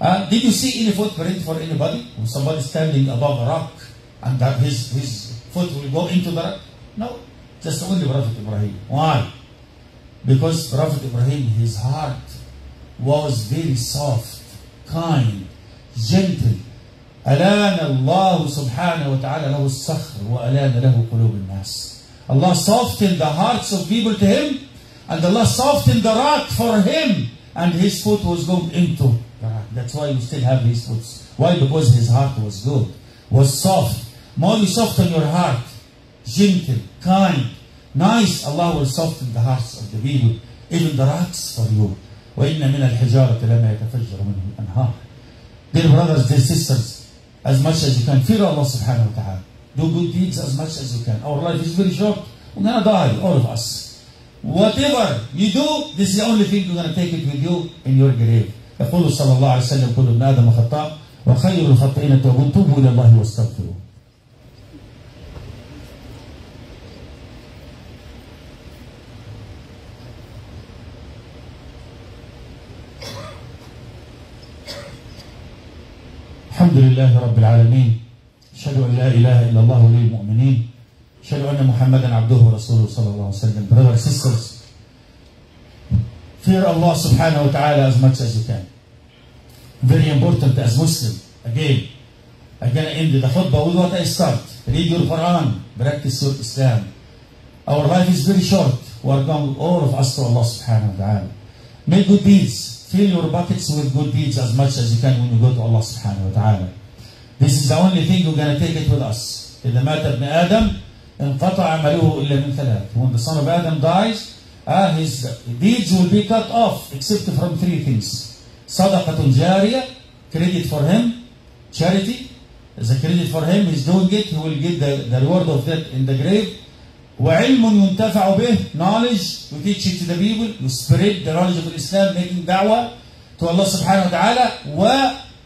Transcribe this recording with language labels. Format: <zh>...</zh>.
<en>Did you see any footprint for anybody? When somebody standing above a rock, and that his foot will go into the rock? No, just only Prophet Ibrahim. Why? Because Prophet Ibrahim, his heart was very soft, kind, gentle.</en> <ar>ألان الله سبحانه وتعالى له الصخر وألان له قلوب الناس.</ar> <en>Allah softened the hearts of people to him and Allah softened the rock for him and his foot was going into the rock. That's why you still have his foot. Why? Because his heart was good, was soft. More you soften your heart, gentle, kind, nice, Allah will soften the hearts of the people, even the rocks for you.</en> <ar>وَإِنَّ مِنَ الْحِجَارَةِ لَمَا يَتَفَجَّرُ مِنْهُ الْأَنْهَارِ.</ar> <en>Dear brothers, dear sisters, as much as you can, fear Allah subhanahu wa ta'ala. Do good deeds as much as you can. Our life is very short. We're going to die, all of us. Whatever you do, this is the only thing you're going to take it with you in your grave.</en> <ar>يقول صلى الله عليه وسلم كل ابن آدم خطاء وخير الخطئين التوبون توبوا إلى الله واستغفروا. الحمد لله رب العالمين أشهد أن لا إله إلا الله للمؤمنين أشهد أن محمدا عبده ورسوله صلى الله عليه وسلم.</ar> <en>Brothers, sisters, fear Allah سبحانه وتعالى as much as you can. Very important as Muslim. Again, I'm going to end the khutbah with what I start. Read your Quran, practice your Islam. Our life is very short. We are going all of us to Allah سبحانه وتعالى. Make good deeds. Fill your buckets with good deeds as much as you can when you go to Allah subhanahu wa ta'ala. This is the only thing we're going to take it with us.</en> <ar>إذا مات ابن آدم انقطع عمله إلا من ثلاث.</ar> <en>When the son of Adam dies, his deeds will be cut off except from three things.</en> <ar>صدقة جارية,</ar> <en>credit for him, charity. As a credit for him, he's doing it, he will get the reward of that in the grave.</en> <ar>وعلم ينتفع به,</ar> <en>knowledge, you teach it to the people, you spread the knowledge of Islam, making da'wah to Allah subhanahu wa ta'ala.</en>